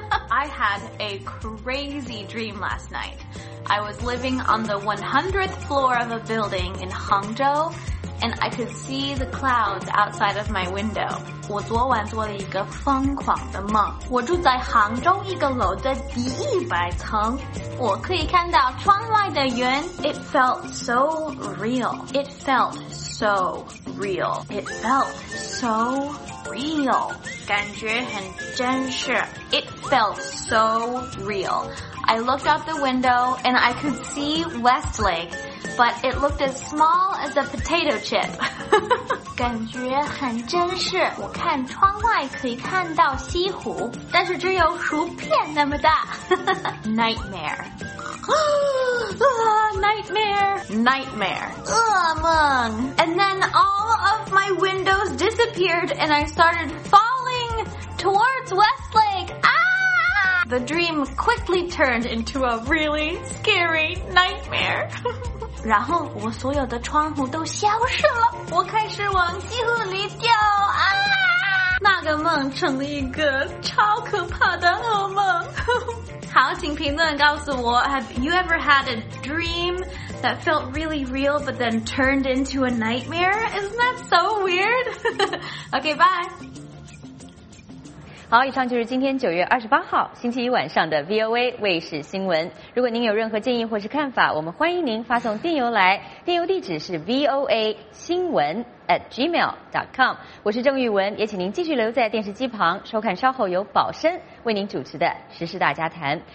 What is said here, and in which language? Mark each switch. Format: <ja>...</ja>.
<en>I had a crazy dream last night I was living on the 100th floor of a building in Hangzhou And I could see the clouds outside of my window.</en> <zh>我昨晚做了一个疯狂的梦。我住在杭州一个楼的第100层。我可以看到窗外的云。</zh> <en>It felt so real. It felt so real. It felt so real.</en> <zh>感觉很真实。</zh> <en>It felt so real. I looked out the window and I could see Westlake. But it looked as small as a potato chip.</en> <zh>感觉很真实。我看窗外可以看到西湖，但是只有薯片那么大。</zh> <en>Nightmare. Nightmare. Nightmare.</en> <zh>噩梦。</zh> <en>And then all of my windows disappeared and I started falling towards Westlake. The dream quickly turned into a really scary nightmare.</en> <zh>然后我所有的窗户都消失了，我开始往西湖里掉啊！那个梦成了一个超可怕的噩梦。好，请评论告诉我</zh> <en>，Have you ever had a dream that felt really real but then turned into a nightmare? Isn't that so weird? Okay, bye.</en> <zh>好，以上就是今天9月28号星期一晚上的 VOA 卫视新闻。如果您有任何建议或是看法，我们欢迎您发送电邮来，电邮地址是 voa.gmail.com。我是郑玉文，也请您继续留在电视机旁收看稍后由宝申为您主持的时事大家谈。</zh>